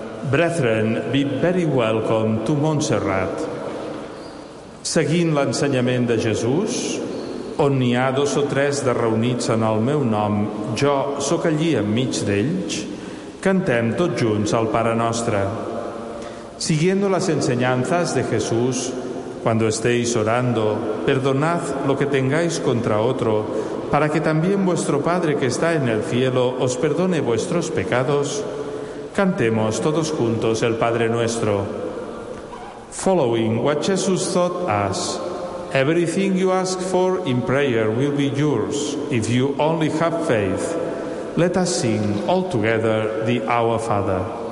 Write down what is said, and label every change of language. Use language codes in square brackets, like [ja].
[en] Brethren, be very welcome to Montserrat. [ca] Seguint l'ensenyament de Jesús, on n'hi ha dos o tres de reunits en el meu nom, jo sóc allí enmig d'ells, cantem tots junts el Pare Nostre. [es] Siguiendo las enseñanzas de Jesús, cuando estéis orando, perdonad lo que tengáis contra otro, para que también vuestro Padre que está en el cielo os perdone vuestros pecados. Cantemos todos juntos el Padre Nuestro. [en] Following what Jesus taught us, everything you ask for in prayer will be yours, if you only have faith. Let us sing all together the Our Father.